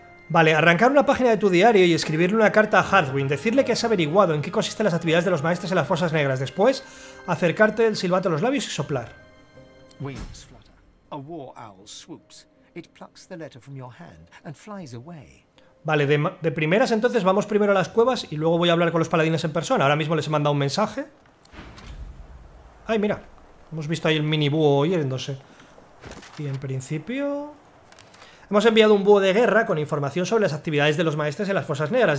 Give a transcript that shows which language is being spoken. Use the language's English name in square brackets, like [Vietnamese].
[Spanish] Vale, arrancar una página de tu diario y escribirle una carta a Hardwin. Decirle que has averiguado en qué consisten las actividades de los maestros en las fosas negras. Después, acercarte el silbato a los labios y soplar. [English] Wings flutter. A war owl swoops. It plucks the letter from your hand and flies away. [Spanish] Vale, de primeras entonces vamos primero a las cuevas y luego voy a hablar con los paladines en persona. Ahora mismo les he mandado un mensaje. Ay, mira. Hemos visto ahí el mini búho oyéndose. Y en principio... Hemos enviado un búho de guerra con información sobre las actividades de los maestres en las fosas negras.